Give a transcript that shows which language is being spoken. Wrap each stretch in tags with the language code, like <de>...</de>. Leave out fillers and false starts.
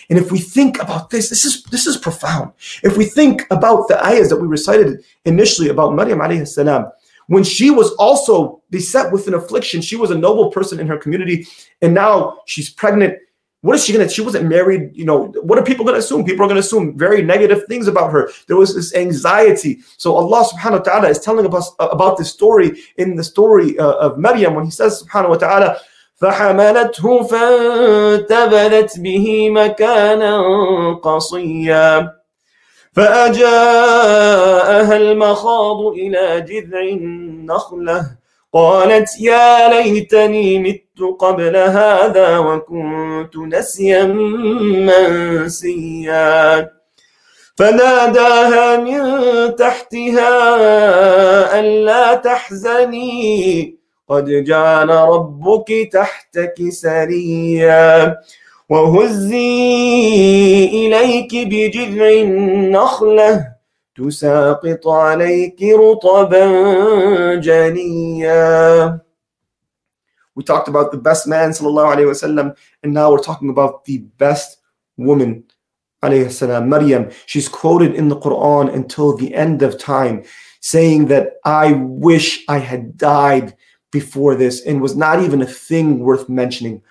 <en>And if we think about this, this is profound. If we think about the ayahs that we recited initially about Maryam alayhi salam, when she was also beset with an affliction, she was a noble person in her community, and now she's pregnant. What is she gonna, she wasn't married, you know, what are people gonna assume? People are gonna assume very negative things about her. There was this anxiety. So Allah subhanahu wa ta'ala is telling us about this story in the story of Maryam when he says subhanahu wa ta'ala,</en> <ar>فَحَمَلَتْهُ فَانْتَبَذَتْ بِهِ مَكَانًا قَصِيًّا فَأَجَاءَهَا الْمَخَاضُ إِلَى جِذْعِ النَّخْلَةِ قالت يا ليتني مت قبل هذا وكنت نسيا منسيا فناداها من تحتها ألا تحزني قد جعل ربك تحتك سريا وهزي إليك بجذع النخلة تساقط عليك رطبا جنيا.</ar> <en>We talked about the best man, sallallahu alayhi wa sallam, and now we're talking about the best woman, alayhi salam, Maryam. She's quoted in the Quran until the end of time, saying that I wish I had died before this and was not even a thing worth mentioning.</en>